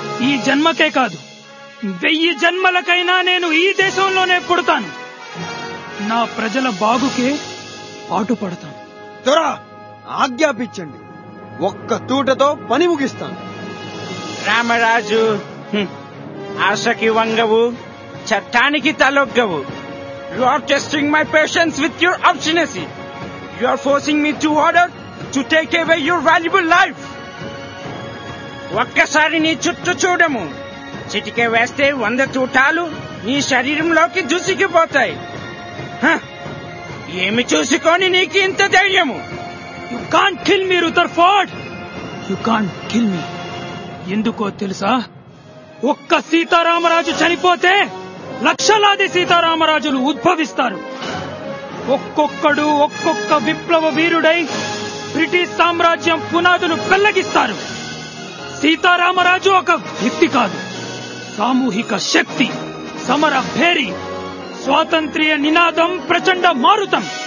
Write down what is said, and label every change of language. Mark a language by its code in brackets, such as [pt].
[te] ఈ జన్మకే కాదు, 1000 జన్మలకైనా నేను ఈ దేశంలోనే పుడతాను. నా ప్రజల బాగుకే పాటుపడతాను. త్వర ఆజ్ఞాపించండి, ఒక్క తూటతో పని ముగిస్తాను. రామరాజు, ఆశకి వంగవు, చట్టానికి తలొగ్గవు. [en] You are testing my patience with your obstinacy. You are forcing me to order to take away your valuable life. [te] ఒక్కసారి నీ చుట్టూ చూడము. చిటికే వేస్తే 100 తూటాలు నీ శరీరంలోకి దూసుకుపోతాయి. ఏమి చూసుకొని నీకు ఇంత ధైర్యము? [en] You can't kill me, Rutherford. You can't kill me. [te] ఎందుకో తెలుసా? ఒక్క సీతారామరాజు చనిపోతే లక్షలాది సీతారామరాజులు ఉద్భవిస్తారు. ఒక్కొక్కడు ఒక్కొక్క విప్లవ వీరుడై బ్రిటిష్ సామ్రాజ్యం పునాదులు పెల్లగిస్తారు. సీతారామరాజు ఒక వ్యక్తి కాదు, సామూహిక శక్తి, సమర భేరి, స్వాతంత్ర్య నినాదం, ప్రచండ మారుతం.